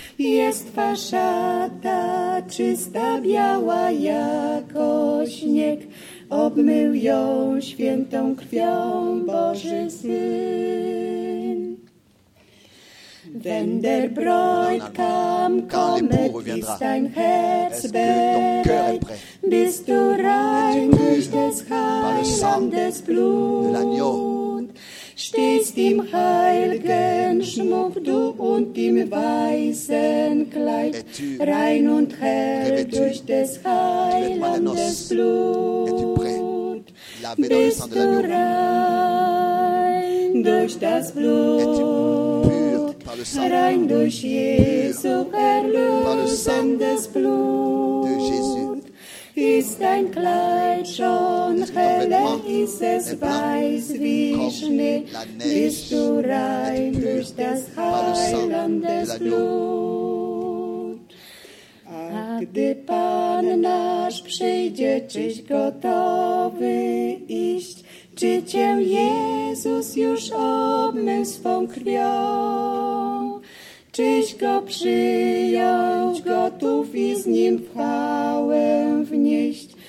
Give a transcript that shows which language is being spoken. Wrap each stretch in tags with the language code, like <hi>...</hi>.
<pl>Jest twa szata czysta, biała jako śnieg, obmył ją świętą krwią Boży Syn.</pl> <de>Wenn der Bräutigam kommt, ist dein Herz bereit. Bist du rein durch das Heiland des Blut? Stehst im heiligen Schmuck du und im weißen Kleid, rein und hell durch des Heilandes Blut. Bist du rein durch das Blut, rein durch Jesu erlösendes Blut. Ist dein Kleid schon heller, ist es weiß wie Schnee, bist du rein durch das heilandes Blut.</de> <pl>Ach, gdy Pan nasz przyjdzie, czyś gotowy iść, czy cię Jezus już obmył swą krwią? Czyś go przyjąć gotów i z nim chwałę wnieść?</pl>